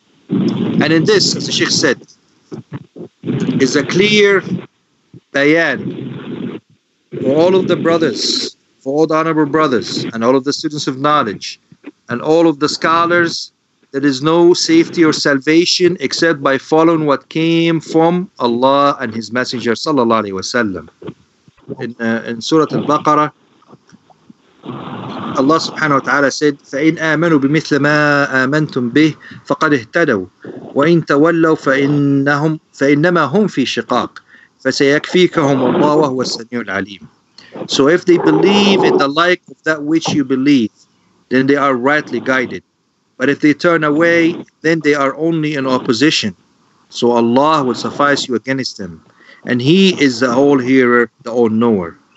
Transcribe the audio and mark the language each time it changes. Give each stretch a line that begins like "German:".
English: And in this, as the Sheikh said, is a clear bayan for all of the brothers, for all the honorable brothers, and all of the students of knowledge, and all of the scholars, there is no safety or salvation except by following what came from Allah and His Messenger, sallallahu alaihi wasallam. In Surah Al-Baqarah, Allah subhanahu wa ta'ala said,
Arabic: فَإِنْ آمَنُوا بِمِثْلَ مَا آمَنْتُمْ بِهِ فَقَدْ اهْتَدَوْا وَإِنْ تَوَلَّوْا فَإِنَّمَا هُمْ فِي شِقَاقٍ فَسَيَكْفِيكَهُمُ اللَّهُ وَهُوَ السَّمِيعُ الْعَلِيمُ.
English: So if they believe in the like of that which you believe, then they are rightly guided. But if they turn away, then they are only in opposition. So Allah will suffice you against them. And He is the all-hearer, the all-knower.